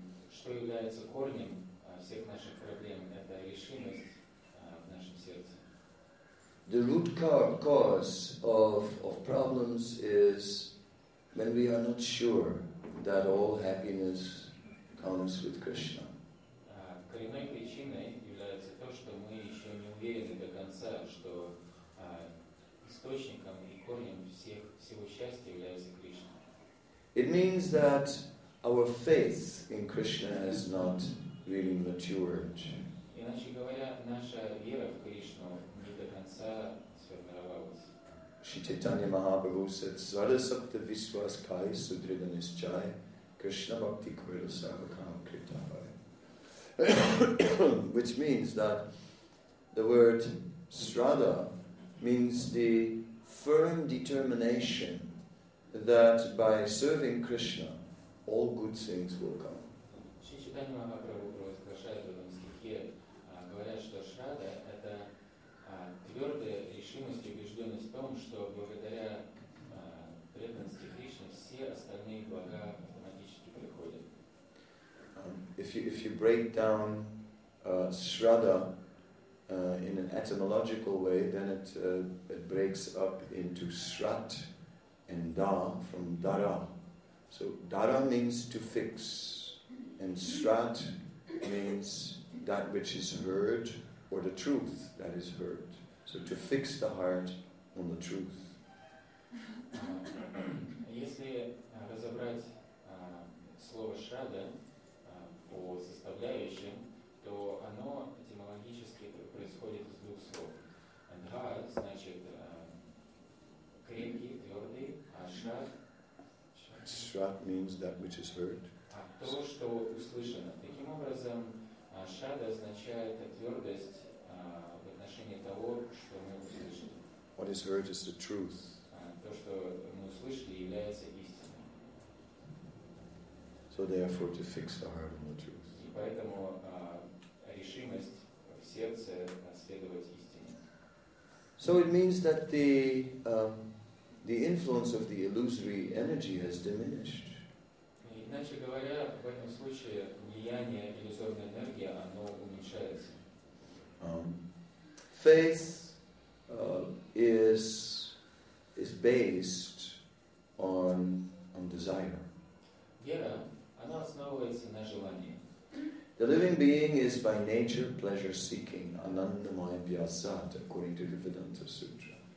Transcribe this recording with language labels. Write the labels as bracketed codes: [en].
[ru] Что является корнем всех наших проблем, это решимость в нашем сердце. [en] The root cause of problems is when we are not sure that all happiness comes with Krishna. [ru] Коренной причиной является то, что мы еще не уверены до конца, что источником и корнем всего счастья является Кришна. [en] It means that our faith in Krishna has not really matured. [ru] Иначе говоря, наша вера в Кришну не до конца сформировалась. [sa] Шри Чайтанья Махапрабху [en] said, [sa] Sarva Sakta Viswas Kai Sudrida Nischai Krishna Bhakti Kvira Sarvakam Kritavai. [en] Which means that the word Shraddha means the firm determination that by serving Krishna, all good things will come. [ru] Шри Чайтанья Махапрабху провозглашает в этом стихе, говорят, что Шрадха – это твердая решимость и убежденность в том, что благодаря преданности Кришне все остальные блага автоматически приходят. [en] If you break down Shraddha in an etymological way, then it breaks up into Shrat and Da from Dara. So Dara means to fix, and Shrat means that which is heard, or the truth that is heard. So to fix the heart on the truth. [ru] Если разобрать слово Shraddha по составляющим, то оно этимологически происходит из двух слов. Dha значит крепкий, твердый, а Shrat. [en] Shrat means that which is heard. [ru] То, что услышано. Таким образом, Shrada означает твердость в отношении того, что мы услышали. [en] What is heard is the truth. [ru] То, что мы услышали, является истиной. [en] So therefore to fix the heart on the truth. [ru] И поэтому решимость в сердце следовать истине. [en] So it means that the influence of the illusory energy has diminished. [ru] Иначе говоря, в этом случае влияние иллюзорной энергии, оно уменьшается. [en] Faith is based on desire. [ru] Вера, она основывается на желании. [en] The living being is by nature pleasure seeking, [sa] anandamaya vyasat, [en] according to the Vedanta Sutra.